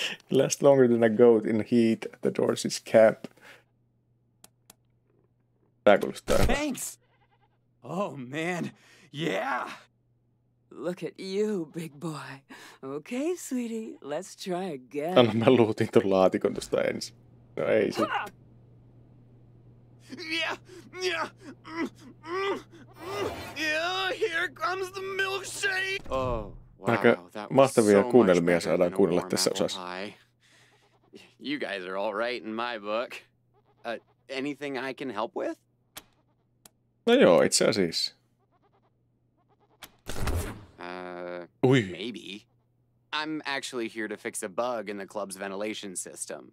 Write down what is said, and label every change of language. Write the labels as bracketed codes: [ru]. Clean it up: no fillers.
[en] Last longer than a goat in heat at the Dorsey's camp. Thanks! Oh man, yeah! Look at you, big boy. Okay, sweetie, let's try again. [fi] Anna mä luutin ton laatikon tosta ensin. No ei se. [en] Yeah, here comes the milkshake! Oh. [fi] Aika mahtavia kuunnelmia saadaan kuunnella tässä osassa. [en] You guys are all right in my book. Anything I can help with? [fi] No joo, itse asiassa. [en] Maybe. I'm actually here to fix a bug in the club's ventilation system.